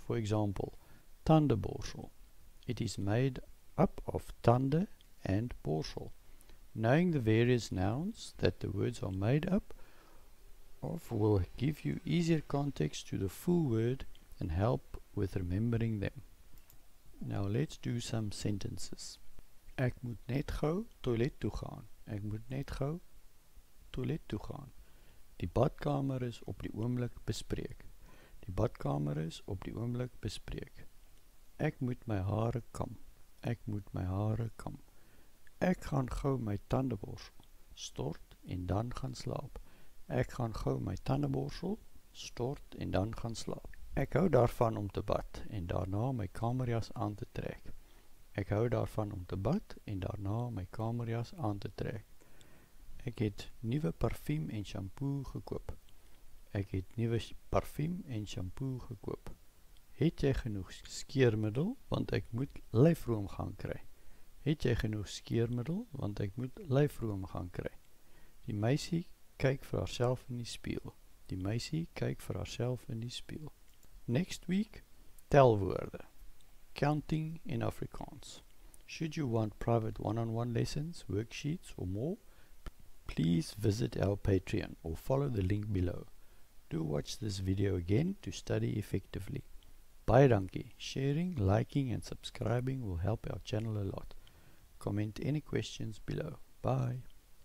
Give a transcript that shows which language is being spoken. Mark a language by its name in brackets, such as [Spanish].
[English] For example, tandeborsel. It is made up of tande and borsel. Knowing the various nouns that the words are made up of will give you easier context to the full word and help with remembering them. Now let's do some sentences. [Afrikaans] Ek moet net gou toilet toe gaan. Ek moet net gou toilet toe gaan. Die badkamer is op die oomblik bespreek. Die badkamer is op die oomblik bespreek. Ek moet my hare kam. Ek moet my hare kam. Ek gaan gou my tandeborsel stort en dan gaan slaap. Ek gaan gou my tandeborsel stort en dan gaan slaap. Ek hou daarvan om te bad en daarna my kamerjas aan te trek. Ek hou daarvan om te bad en daarna my kamerjas aan te trek. Ek het nuwe parfum en shampoo gekoop. Ek het nuwe parfum en shampoo gekoop. Het jy genoeg skeermiddel want ek moet lyfroom gaan kry? Het jy genoeg skeermiddel want ek moet lyfroom gaan kry? Die meisie kyk vir haarself in die spieël. Die meisie kyk vir haarself in die spieël. [English] Next week, telwoorde. Counting in Afrikaans. Should you want private one-on-one lessons, worksheets or more, please visit our Patreon or follow the link below. Do watch this video again to study effectively. [Afrikaans] Baie dankie. [English] Sharing, liking and subscribing will help our channel a lot. Comment any questions below. Bye.